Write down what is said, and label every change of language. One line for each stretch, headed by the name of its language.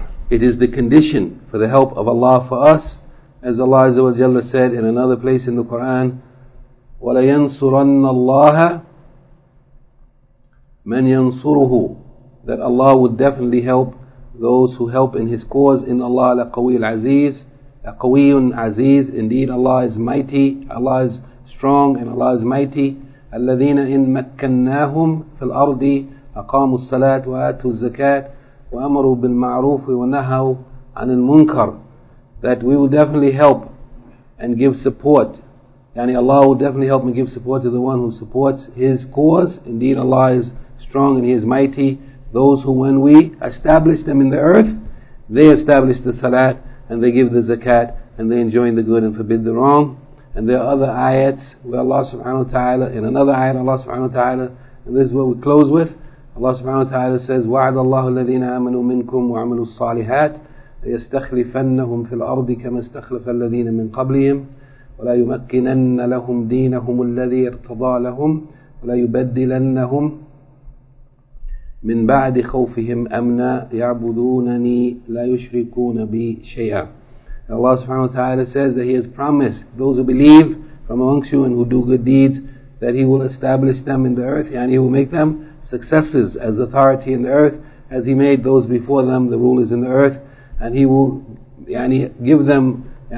English: It is the condition for the help of Allah for us, as Allah Azza wa Jalla said in another place in the Quran,
Arabic: وَلَيَنْصُرَنَّ اللَّهَ مَنْ يَنْصُرُهُ,
English: that Allah would definitely help those who help in His cause. In Allah
Arabic: لَقَوِيٌّ عَزِيزٌ, لَقَوِيٌّ عَزِيزٌ,
English: indeed Allah is mighty, Allah is strong and Allah is mighty.
Arabic: الَّذِينَ إِن مَكَّنَّاهُمْ فِي الْأَرْضِ أَقَامُوا الصَّلَاةِ وَآتُوا الزَّكَاةِ وَأَمَرُوا بِالْمَعْرُوفِ وَنَهَوْا عَنِ الْمُنْكَرِ,
English: that we will definitely help and give support. Yani Allah will definitely help and give support to the one who supports His cause. Indeed Allah is strong and He is mighty. Those who, when we establish them in the earth, they establish the salat and they give the zakat and they enjoin the good and forbid the wrong. And there are other ayats where Allah subhanahu wa ta'ala, in another ayat Allah subhanahu wa ta'ala, and this is what we close with, Allah subhanahu wa ta'ala says,
Arabic: وَعَدَ اللَّهُ الَّذِينَ آمَنُوا مِنْكُمْ وَعَمِلُوا الصَّالِحَاتِ لَيَسْتَخْلِفَنَّهُمْ فِي الْأَرْضِ كَمَا اسْتَخْلَفَ الَّذِينَ مِنْ قَبْلِهِمْ وَلَا يُمَكِّنَنَّ لَهُمْ دِينَهُمُ الَّذِي ارْتَضَى لَهُمْ وَلَا يُبَدِّلَنَّهُمْ مِنْ بَعْدِ خَوْفِهِمْ أَمْنًا يَعْبُدُونَنِي لَا يُشْرِكُونَ بِي شَيْئًا.
English: Allah subhanahu wa ta'ala says that He has promised those who believe from amongst you and who do good deeds that He will establish them in the earth, and He will make them successes as authority in the earth, as He made those before them the rulers in the earth, and He will give them